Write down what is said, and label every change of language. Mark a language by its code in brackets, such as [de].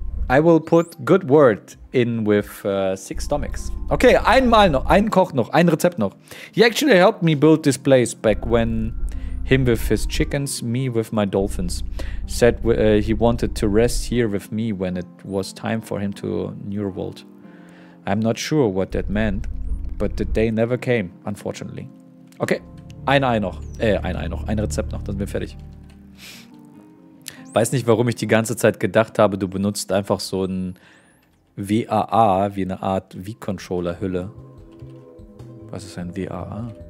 [en] I will put good word in with 6 stomachs. [de] Okay, einmal noch, ein Koch noch, ein Rezept noch. [en] He actually helped me build this place back when him with his chickens, me with my dolphins. Said he wanted to rest here with me when it was time for him to New World. I'm not sure what that meant, but the day never came, unfortunately. [de] Okay, ein Rezept noch, dann sind wir fertig. Weiß nicht, warum ich die ganze Zeit gedacht habe, du benutzt einfach so ein VAA, wie eine Art V-Controller-Hülle. Was ist ein VAA?